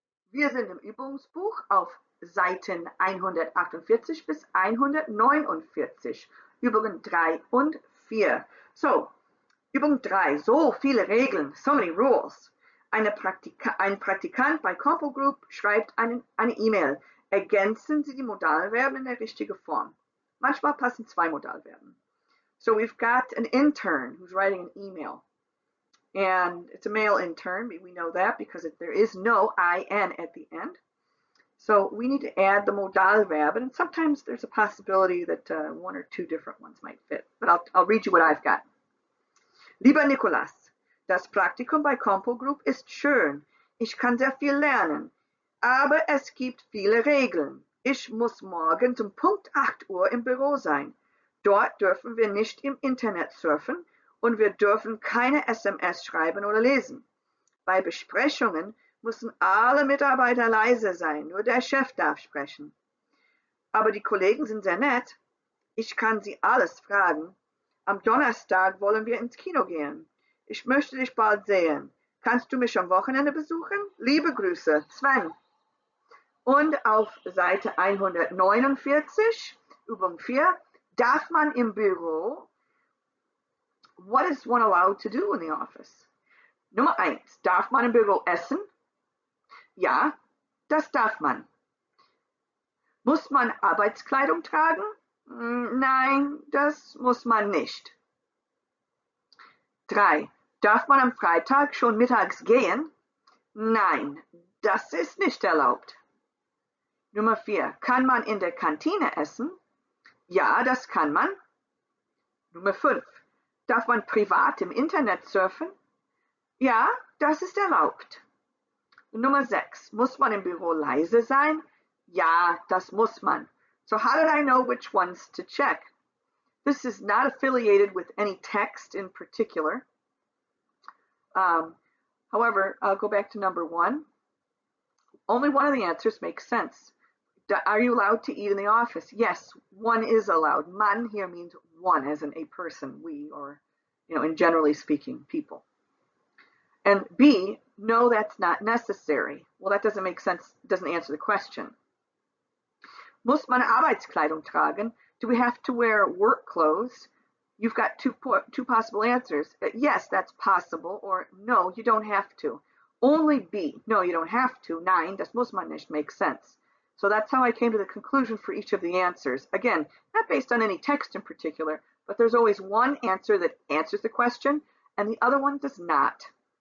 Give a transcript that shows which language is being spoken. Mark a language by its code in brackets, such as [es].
[de] Wir sind im Übungsbuch auf Seiten 148 bis 149, Übungen 3 und 4. So, Übung 3, so viele Regeln, [en] so many rules. [de] Ein Praktikant bei Compo Group schreibt eine E-Mail. Ergänzen Sie die Modalverben in der richtigen Form. Manchmal passen zwei Modalverben. [en] So, we've got an intern who's writing an E-Mail. And it's a male intern, but we know that because there is no IN at the end. So we need to add the modal verb, and sometimes there's a possibility that one or two different ones might fit. But I'll read you what I've got. [de] Lieber Nicolas, das Praktikum bei Compo Group ist schön. Ich kann sehr viel lernen. Aber es gibt viele Regeln. Ich muss morgen um Punkt 8 Uhr im Büro sein. Dort dürfen wir nicht im Internet surfen. Und wir dürfen keine SMS schreiben oder lesen. Bei Besprechungen müssen alle Mitarbeiter leise sein, nur der Chef darf sprechen. Aber die Kollegen sind sehr nett. Ich kann sie alles fragen. Am Donnerstag wollen wir ins Kino gehen. Ich möchte dich bald sehen. Kannst du mich am Wochenende besuchen? Liebe Grüße, Sven. Und auf Seite 149, Übung 4, darf man im Büro... [en] What is one allowed to do in the office? [de] Nummer 1. Darf man im Büro essen? Ja, das darf man. Muss man Arbeitskleidung tragen? Nein, das muss man nicht. 3. Darf man am Freitag schon mittags gehen? Nein, das ist nicht erlaubt. Nummer 4. Kann man in der Kantine essen? Ja, das kann man. Nummer 5. Darf man privat im Internet surfen? Ja, das ist erlaubt. Nummer 6. Muss man im Büro leise sein? Ja, das muss man. [en] So how did I know which ones to check? This is not affiliated with any text in particular. However, I'll go back to number 1. Only one of the answers makes sense. Are you allowed to eat in the office? Yes, one is allowed. Man here means one, as in a person, we, or, you know, in generally speaking, people. And B, no, that's not necessary. Well, that doesn't make sense, doesn't answer the question. [de] Muss man Arbeitskleidung tragen? [en] Do we have to wear work clothes? You've got two possible answers. Yes, that's possible, or no, you don't have to. Only B, no, you don't have to. 9, [de] das muss man nicht, [en] makes sense. So that's how I came to the conclusion for each of the answers. Again, not based on any text in particular, but there's always one answer that answers the question and the other one does not.